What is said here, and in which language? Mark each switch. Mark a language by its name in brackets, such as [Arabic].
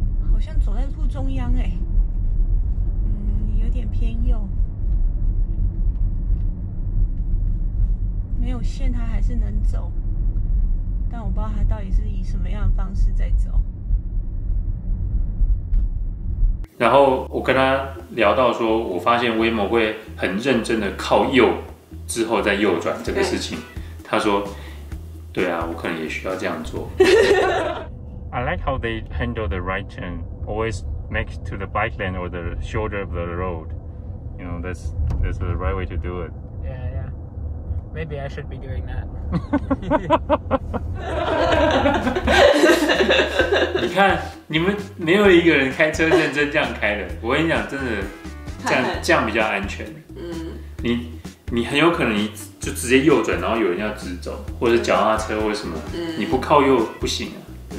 [Chinese] 好像走在路中央哎、欸，嗯，有点偏右，没有线它还是能走，但我不知道它到底是以什么样的方式在走。然后我跟他聊到说，我发现威摩会很认真的靠右之后再右转这个事情，他说，对啊，我可能也需要这样做。 [English] I like how they handle the right turn, always make to the bike lane or the shoulder of the road. You know, that's the right way to do it. Yeah, yeah. Maybe I should be doing that. [Chinese] 你看，你们没有一个人开车认真这样开的。我跟你讲，真的，这样比较安全。嗯，你很有可能你就直接右转，然后有人要直走，或者脚踏车或什么，你不靠右不行啊。